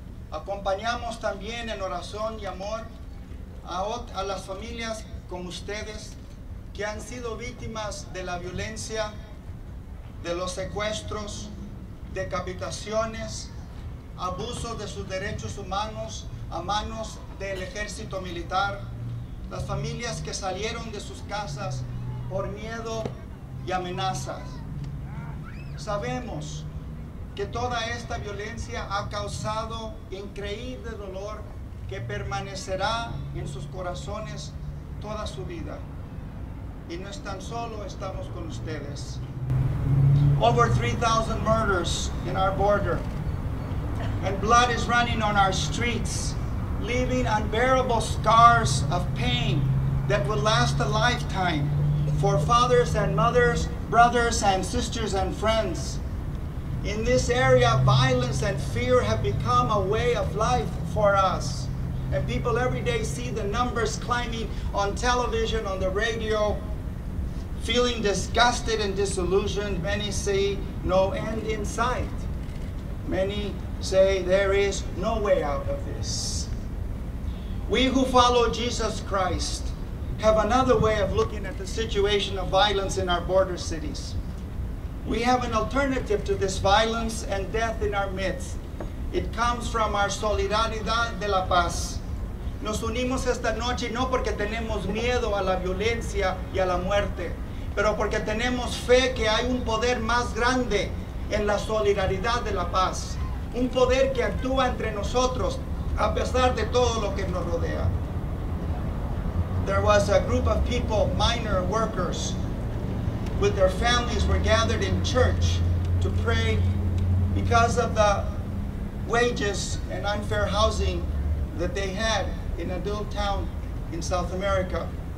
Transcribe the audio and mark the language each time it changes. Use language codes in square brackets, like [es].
[es] Acompañamos también en oración y amor a las familias como ustedes que han sido víctimas de la violencia, de los secuestros, decapitaciones, abusos de sus derechos humanos a manos del ejército militar, las familias que salieron de sus casas por miedo y amenazas. Sabemos que toda esta violencia ha causado increíble dolor que permanecerá en sus corazones toda su vida. Y no es tan solo, estamos con ustedes. [en] Over 3,000 murders in our border, and blood is running on our streets, leaving unbearable scars of pain that will last a lifetime for fathers and mothers, brothers and sisters and friends. In this area, violence and fear have become a way of life for us. And people every day see the numbers climbing on television, on the radio, feeling disgusted and disillusioned. Many say no end in sight. Many say there is no way out of this. We who follow Jesus Christ have another way of looking at the situation of violence in our border cities. We have an alternative to this violence and death in our midst. It comes from our [es] solidaridad de la paz. Nos unimos esta noche no porque tenemos miedo a la violencia y a la muerte, pero porque tenemos fe que hay un poder más grande en la solidaridad de la paz, un poder que actúa entre nosotros a pesar de todo lo que nos rodea. [en] There was a group of people, minor workers, with their families were gathered in church to pray because of the wages and unfair housing that they had in a little town in South America.